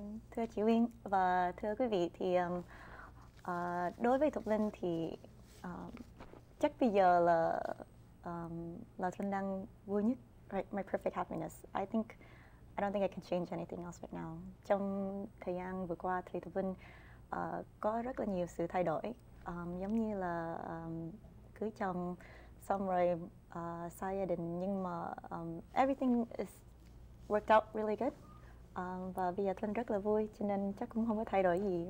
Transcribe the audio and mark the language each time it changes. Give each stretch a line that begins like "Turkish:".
Vietnamese: Thưa chị Uyên và thưa quý vị thì đối với Thục Linh thì chắc bây giờ là Thục Linh đang vui nhất, right?
English: My perfect happiness. I don't think I can change anything else right now.
Vietnamese: Trong thời gian vừa qua thì Thục Linh có rất là nhiều sự thay đổi, giống như là cưới chồng xong rồi xa gia đình, nhưng mà
English: everything is worked out really good.
Vietnamese: Và bây giờ Thục Linh rất là vui, cho nên chắc cũng không có thay đổi gì.